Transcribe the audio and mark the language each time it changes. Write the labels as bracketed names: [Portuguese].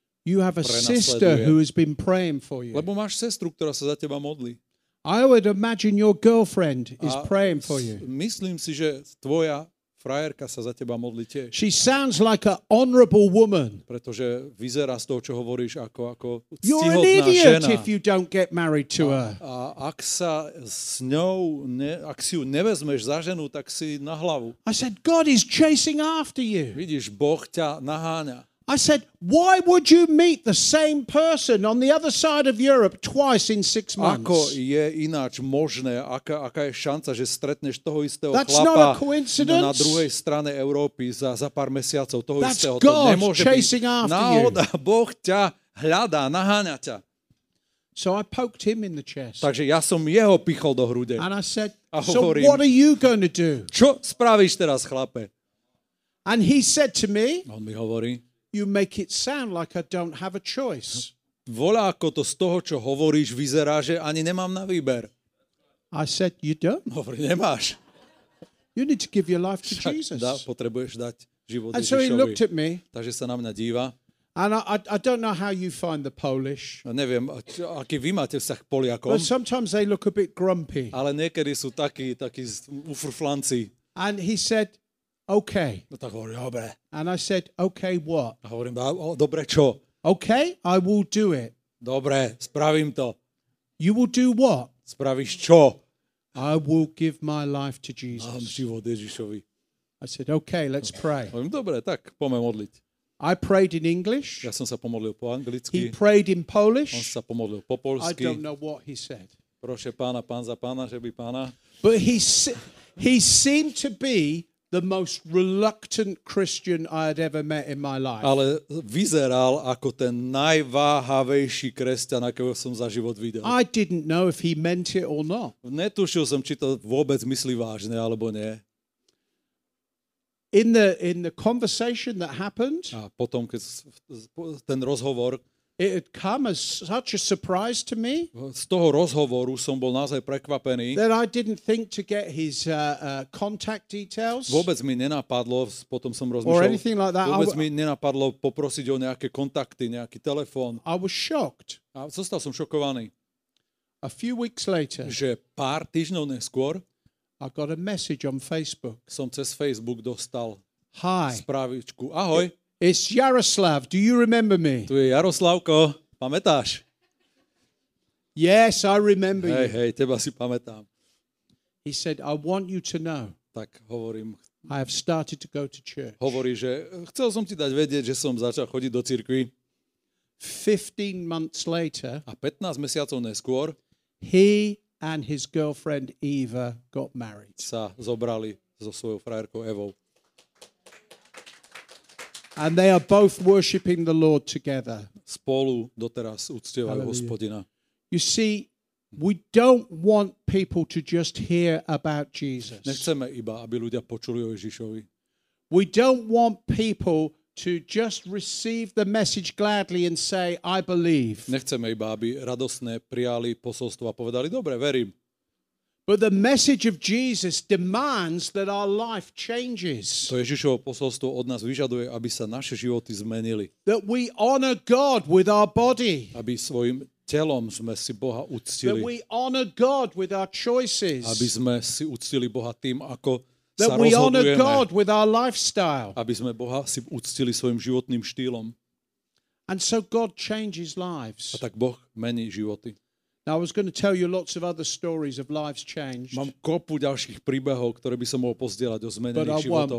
[English] You have a sister who has been praying for you. [Slovak] Lebo máš sestru, ktorá sa za teba modlí. [English] I would imagine your girlfriend is praying for you. [Slovak] Myslím si, že tvoja frajerka sa za teba modlí tiež. [English] She sounds like an honorable woman. [Slovak] Pretože vyzerá z toho, čo hovoríš, ako ctihodná žena. [English] If you don't get married to her. [Slovak] A ak sa s ňou, ak si ju nevezmeš za ženu, tak si na hlavu. [English] I said, God is chasing after you. [Slovak] Vidíš, Boh ťa naháňa. [English] I said, why would you meet the same person on the other side of Europe twice in 6 months? [Slovak] Ako je ináč možné, aká je šanca, že stretneš toho istého [English] That's [Slovak] chlapa [English] not a coincidence. [Slovak] Na druhej strane Európy za pár mesiacov toho [English] That's [Slovak] istého? [English] God [Slovak] to nemôže [English] chasing [Slovak] byť [English] after [Slovak] náhoda. [English] You. [Slovak] Boh ťa hľadá, naháňa ťa. [English] So I poked him in the chest. [Slovak] Takže ja som jeho pichol do hrude. [English] And I said, [Slovak] a hovorím, [English] so what are you going to do? [Slovak] Čo spravíš teraz, chlape? [English] And he said to me, [Slovak] on mi hovorí, [English] you make it sound like I don't have a choice. [Slovak] Volá ako to z toho, čo hovoríš, vyzerá, že ani nemám na výber. [English] I said, you don't. [Slovak] Hovorí, nemáš. [English] You need to give your life to Jesus. [Slovak] Potrebuješ dať život [English] Ježišovi. And so he looked at me. [Slovak] Takže sa na mňa díva. [English] And I don't know how you find the Polish. [Slovak] Neviem, aký vy máte vzťah k Poliakom. [English] But sometimes they look a bit grumpy. [Slovak] Ale niekedy sú takí ufrflanci. [English] And he said, okay. [Slovak] No tak hovorím, dobre. [English] And I said, okay, what? [Slovak] A hovorím, dobre, čo? [English] Okay, I will do it. [Slovak] Dobre, spravím to. [English] You will do what? [Slovak] Spravíš čo? [English] I will give my life to Jesus. [Slovak] Dám život Ježišovi. [English] I said, okay, let's pray. [Slovak] Hovorím, dobre, tak poďme modliť. [English] I prayed in English. [Slovak] Ja som sa pomodlil po anglicky. [English] He prayed in Polish. [Slovak] On sa pomodlil po poľsky. [English] I don't know what he said. [Polish] Proše pána, pán za pána, že by pána. [English] But he seemed to be the most reluctant Christian I had ever met in my life. [Slovak] Ale vyzeral ako ten najváhavejší kresťan, akého som za život videl. [English] I didn't know if he meant it or not. [Slovak] Netušil som, či to vôbec myslí vážne alebo nie. [English] In the conversation that happened, [Slovak] a potom keď ten rozhovor, [English] it had come as such a surprise to me, [Slovak] z toho rozhovoru som bol naozaj prekvapený, [English] that I didn't think to get his contact details, [Slovak] vôbec mi nenapadlo, potom som rozmýšľal, [English] or anything like that. [Slovak] Vôbec mi nenapadlo poprosiť o nejaké kontakty, nejaký telefón. [English] I was shocked. [Slovak] A zostal som šokovaný. [English] A few weeks later, [Slovak] že pár týždňov neskôr, [English] I got a message on Facebook. [Slovak] Som cez Facebook dostal. [English] Hi. [Slovak] Správičku. Ahoj. [English] It's Jaroslav. Do you remember me? [Slovak] Tu je Jaroslavko. Pamätáš? [English] Yes, I remember you. [Slovak] Hej, teba si pamätám. [English] He said, I want you to know. [Slovak] Tak hovorím. [English] I have started to go to church. [Slovak] Hovorí, že chcel som ti dať vedieť, že som začal chodiť do cirkvi. [English] 15 months later. [Slovak] A 15 mesiacov neskôr. [English] He and his girlfriend Eva got married. [Slovak] Sa zobrali so svojou frajerkou Evou. [English] And they are both worshiping the Lord together. [Slovak] Spolu doteraz uctievajú Hospodina. [English] You see, we don't want people to just hear about Jesus. [Slovak] Nechceme iba, aby ľudia počuli o Ježišovi. [English] We don't want people to just receive the message gladly and say I believe. [Slovak] Nechceme iba, aby radosne prijali posolstvo a povedali dobre, verím. [English] But the message of Jesus demands that our life changes. [Slovak] To Ježišovo posolstvo od nás vyžaduje, aby sa naše životy zmenili. [English] That we honor God with our body. [Slovak] Aby svojim telom sme si Boha uctili. [English] That we honor God with our choices. [Slovak] Aby sme si uctili Boha tým, ako [English] that we honor God with our lifestyle. [Slovak] Aby sme Boha si uctili svojim životným štýlom. [English] And so God changes lives. [Slovak] A tak Boh mení životy. [English] Now I was going to tell you lots of other stories of lives changed. [Slovak] Mám kopu ďalších príbehov, ktoré by som mohol pozdieľať o zmenených životoch.